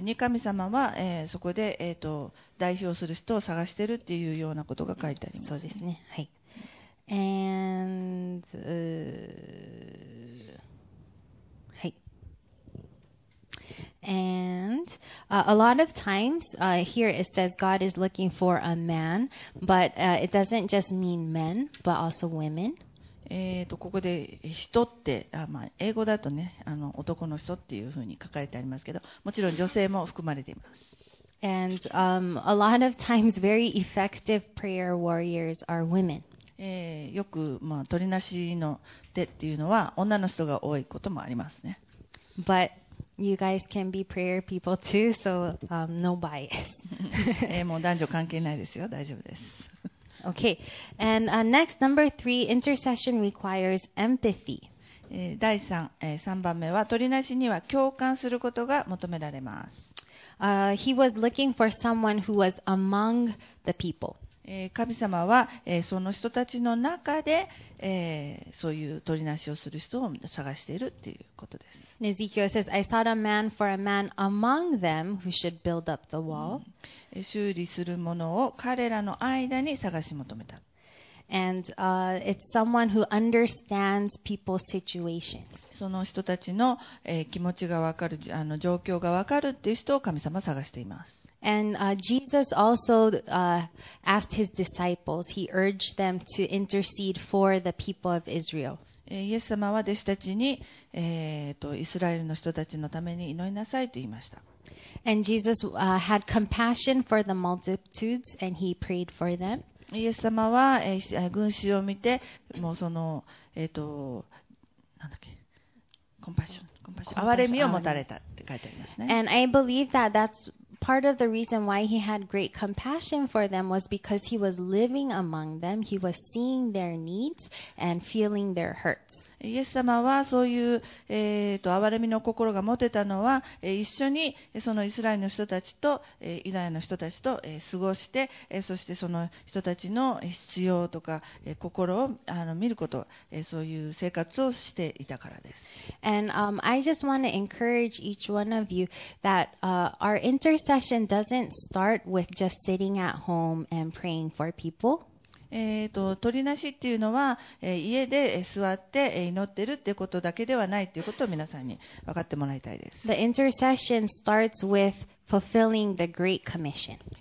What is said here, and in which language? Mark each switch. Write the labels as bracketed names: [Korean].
[Japanese] に神様は、そこで、代表する人を探しているっていうようなことが書いてあります、ね。そうですね。はい。 [English] And、And a lot of times here it says God is looking for a man, but it doesn't just mean men, but also women. [Japanese] ここで人って、まあ、英語だとね、男の人っていうふうに書かれてありますけど、もちろん女性も含まれています。 [English] And a lot of times very effective prayer warriors are women. [Japanese] よく、まあ、取りなしの手っていうのは女の人が多いこともありますね。 [English] But,You guys can be prayer people too, so、no bias. [Japanese] もう男女関係ないですよ。大丈夫です。 [English] Okay. And、next, number three, intercession requires empathy. [Japanese] 第三、三番目は、取りなしには共感することが求められます。 [English] He was looking for someone who was among the people. [Japanese] 神様は、その人たちの中で、そういう取りなしをする人を探しているっていうことです。 [English] Ezekiel says, I sought a man for a man among them who should build up the wall. [Japanese] 修理するものを彼らの間に探し求めた。 [English] And, it's someone who understands people's situations. [Japanese] その人たちの、気持ちがわかる、状況がわかるっていう人を神様は探しています。 [English] And, Jesus also, asked his disciples, he urged them to intercede for the people of Israel. [Japanese] イエス様は弟子たちに、イスラエルの人たちのために祈りなさいと言いました。 [English] And Jesus, had compassion for the multitudes and he prayed for them. [Japanese] イエス様は、群衆を見て、もうその、なんだっけ、コンパッション、憐れみを持たれたって書いてありますね。 [English] And I believe that that's part of the reason why he had great compassion for them was because he was living among them. He was seeing their needs and feeling their hurts. [Japanese] イエス様はそういう、憐れみの心が持てたのは、一緒にそのイスラエルの人たちと、ユダヤの人たちと、過ごして、そしてその人たちの必要とか、心を見ること、そういう生活をしていたからです。 [English] And, I just want to encourage each one of you that, our intercession doesn't start with just sitting at home and praying for people. [Japanese] 取りなしっていうのは、家で座って祈ってるってことだけではないっていうことを皆さんに分かってもらいたいです。 [English] The intercession starts with fulfilling the great commission.